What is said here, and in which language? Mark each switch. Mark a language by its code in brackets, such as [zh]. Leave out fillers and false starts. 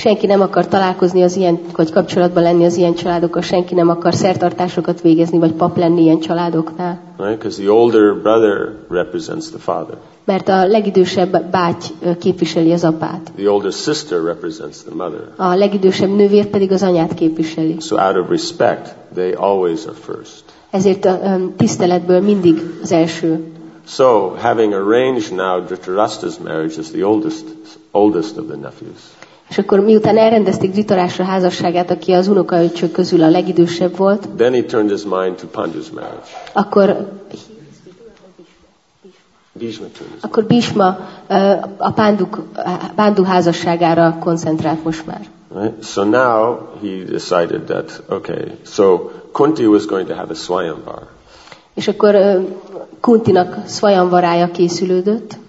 [hu] Senki nem akar találkozni az ilyen, vagy kapcsolatban lenni az ilyen családokkal. Senki nem akar szertartásokat végezni, vagy pap lenni ilyen családoknál. [en] Right? Because the older brother represents the father. [hu] Mert a legidősebb báty képviseli az apát. [en] The older sister represents the mother. [hu] A legidősebb nővér pedig az anyát képviseli. [en] So out of respect, they always are first. [hu] Ezért a tiszteletből mindig az első. [en] So, having arranged now Dhritarashtra's marriage as the oldest of the nephews. [hu] És akkor miután elrendezték Dhritarashtra házasságát, aki az unokaöcsök közül a legidősebb volt. [en] Then he turned his mind to Pandu's marriage. [hu] Akkor Bhishma a Pandu házasságára koncentrált most már. [en] Right? So now he decided that, okay, so Kunti was going to have a Swayamvar. [hu] És akkor Kuntinak svajanvarája készülődött.